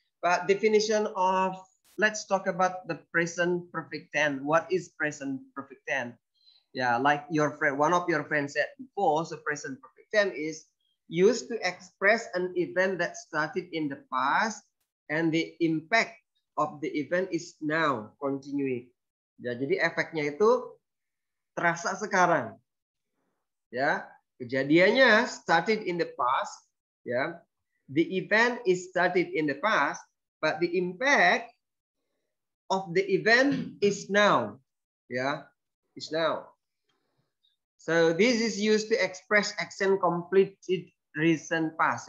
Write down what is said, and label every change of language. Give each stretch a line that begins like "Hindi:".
English: But definition of, let's talk about the present perfect tense. What is present perfect tense? Yeah, like your friend, one of your friends said before. So present perfect tense is used to express an event that started in the past, and the impact of the event is now continuing.
Indonesian: Yeah, jadi efeknya itu terasa sekarang.
English: Ya,
Indonesian: kejadiannya
English: started in the past, ya. The event is started in the past, but the impact of the event is now. Ya, is now. So this is used to express action completed recent past.